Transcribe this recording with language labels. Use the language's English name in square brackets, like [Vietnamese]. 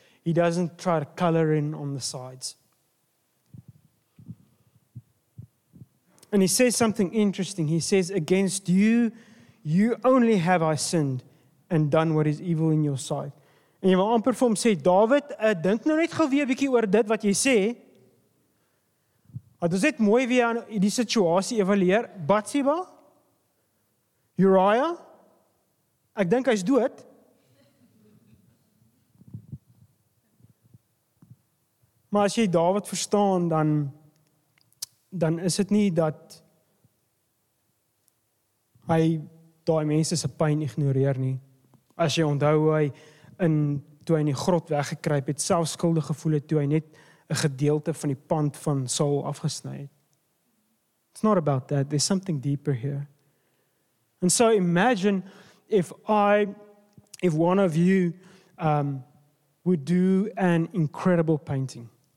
[English] He doesn't try to color in on the sides. And he says something interesting. He says, against you, you only have I sinned and done what is evil in your sight. [Afrikaans] En jy wil amper vir hom sê, David, dink nou net gou weer 'n bietjie oor dit wat jy sê. Wat ons net mooi weer aan die situasie evalueer. Bathsheba, Uriah, ek dink hy's dood. Maar as jy David verstaan, dan is het nie dat hy daai mense se pyn ignoreer nie. As jy onthou hoe hy toe hy in die grot weggekruip het, self skuldig gevoel het, toe hy net 'n gedeelte van die pand van Saul afgesny het. [English] It's not about that. There's something deeper here. And so imagine if one of you would do an incredible painting.